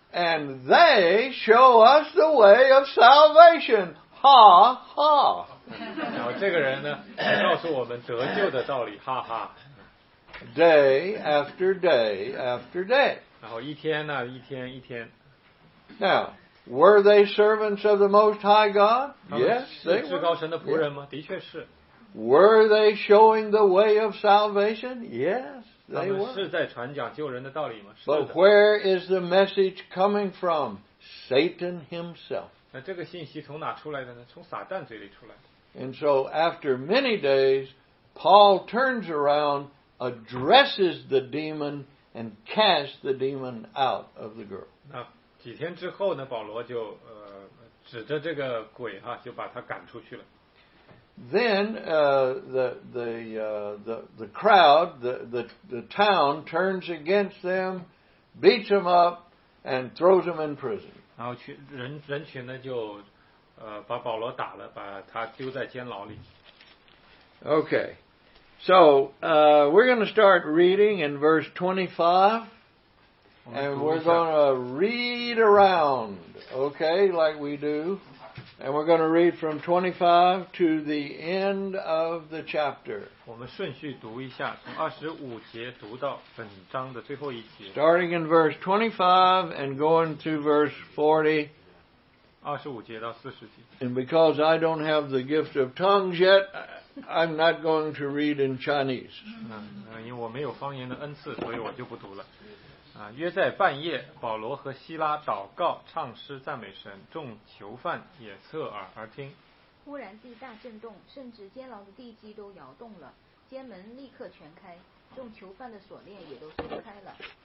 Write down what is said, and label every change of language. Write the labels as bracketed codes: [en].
[en] And they show us the way of salvation. Ha, ha. [zh] 然后这个人呢，告诉我们得救的道理，哈哈。 [en] Day after day after day. [zh] 然后一天呢，一天一天。 [en] Now, were they servants of the Most High God? Yes, they were. [zh] 至高神的仆人吗？的确是。 [en] Were they showing the way of salvation? Yes, they were. [zh] 他们是在传讲救人的道理吗？是的。 [en] But where is the message coming from? Satan himself. [zh] 那这个信息从哪出来的呢？从撒旦嘴里出来的。 [en] And so after many days, Paul turns around, addresses the demon, and casts the demon out of the girl. [zh] 那几天之后呢，保罗就指着这个鬼哈，就把他赶出去了。 [en] Then the crowd, the town turns against them, beats them up, and throws them in prison. [zh] 然后人群呢就把保罗打了，把他丢在监牢里。 [en] Okay, so we're going to start reading in verse 25, and we're going to read around, okay, like we do. And we're going to read from 25 to the end of the chapter. [zh] 我们顺序读一下，从25节读到本章的最后一节。 [en] Starting in verse 25 and going to verse 40. [zh] 25节到40节。 [en] And because I don't have the gift of tongues yet, I'm not going to read in Chinese. [zh] 因为我没有方言的恩赐，所以我就不读了。约在半夜，保罗和希拉祷告、唱诗、赞美神，众囚犯也侧耳而听。忽然地大震动，甚至监牢的地基都摇动了，监门立刻全开，众囚犯的锁链也都松开了。